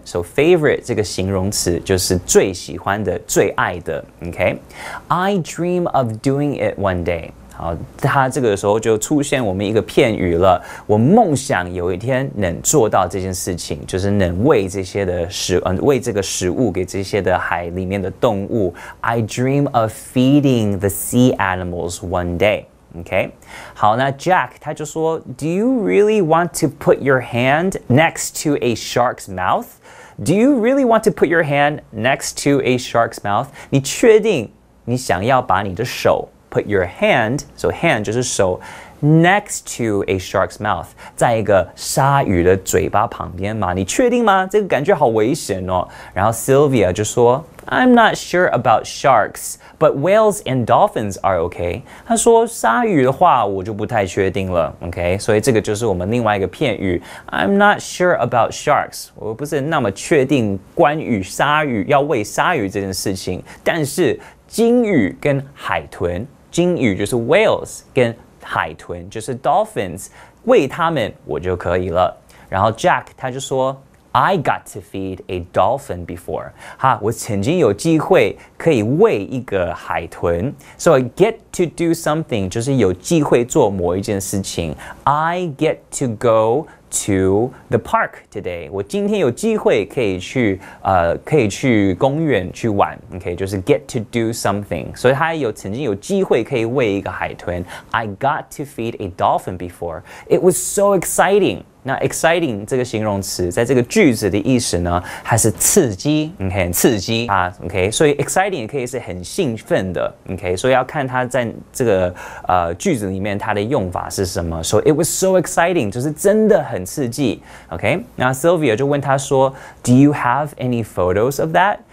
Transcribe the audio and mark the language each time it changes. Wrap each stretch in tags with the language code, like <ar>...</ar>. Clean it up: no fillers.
<en>So favorite</en> <zh>这个形容词就是最喜欢的、最爱的。</zh> <en>OK，I dream of doing it one day。</en> <zh>好，他这个时候就出现我们一个片语了。我梦想有一天能做到这件事情，就是能喂这些的食，喂这个食物给这些的海里面的动物。</zh> <en>I dream of feeding the sea animals one day. OK，</en> <zh>好，那</zh> <en>Jack</en> <zh>他就说</zh> <en>，Do you really want to put your hand next to a shark's mouth? Do you really want to put your hand next to a shark's mouth?</en> <zh>你确定你想要把你的手？</zh> <en>Put your hand, so hand</en> <zh>就是手</zh> <en>next to a shark's mouth,</en> <zh>在一个鲨鱼的嘴巴旁边嘛？你确定吗？这个感觉好危险哦。然后 Sylvia 就说</zh> <en>I'm not sure about sharks, but whales and dolphins are okay.</en> <zh>他说鲨鱼的话我就不太确定了 ,okay? 所以这个就是我们另外一个片语。</zh> <en>I'm not sure about sharks.</en> <zh>我不是那么确定关于鲨鱼要喂鲨鱼这件事情。但是鲸鱼跟海豚鲸鱼就是 whales 跟海豚就是 dolphins, 喂他们我就可以了。然后</zh> <en>Jack</en> <zh>他就说</zh> <en>I got to feed a dolphin before.</en> <zh>哈，我曾经有机会可以喂一个海豚。</zh> <en>So I get to do something</en> <zh>就是有机会做某一件事情。</zh> <en>I get to go to the park today.</en> <zh>我今天有机会可以去公园去玩。</zh> <en>Okay,</en> <zh>就是</zh> <en>get to do something.</en> <zh>所以他有曾经有机会可以喂一个海豚。</zh> <en>I got to feed a dolphin before. It was so exciting.</en> <zh>那 exciting 这个形容词在这个句子的意思呢还是刺激 okay, 很刺激、啊、OK, 所以 exciting 也可以是很兴奋的 OK, 所以要看它在这个、句子里面它的用法是什么</zh> <en>So it was so exciting,</en> <zh>就是真的很刺激 OK, 那 Sylvia 就问他说</zh> <en>Do you have any photos of that?</en>